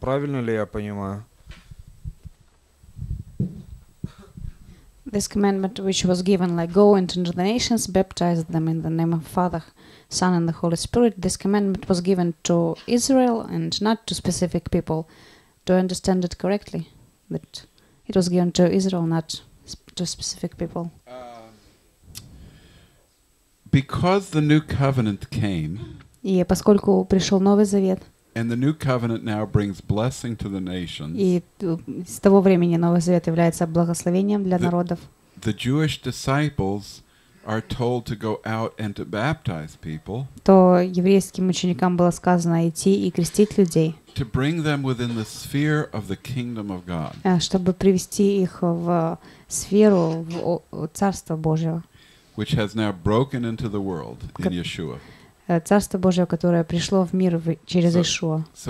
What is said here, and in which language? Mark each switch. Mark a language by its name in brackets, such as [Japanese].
[Russian] Правильно ли я понимаю? [English] This commandment, which was given, like, go into the nations, baptize them in the name of Father, Son, and the Holy Spirit, this commandment was given to Israel and not to specific people. Do I understand it correctly? That it was given to Israel, not to specific people? Because the New Covenant came, [Russian] и поскольку пришел Новый Завет, [English] and the New Covenant now brings blessing to the nations. [Russian] И с того времени Новый Завет является благословением для народов. [English] The Jewish disciples are told to go out and to baptize people. [Russian] То еврейским ученикам было сказано идти и крестить людей. [English] To bring them within the sphere of the kingdom of God. [Russian] Чтобы привести их в сферу Царства Божьего. [English] Which has now broken into the world in Yeshua. [Russian] Царство Божие, которое пришло в мир через Иешуа.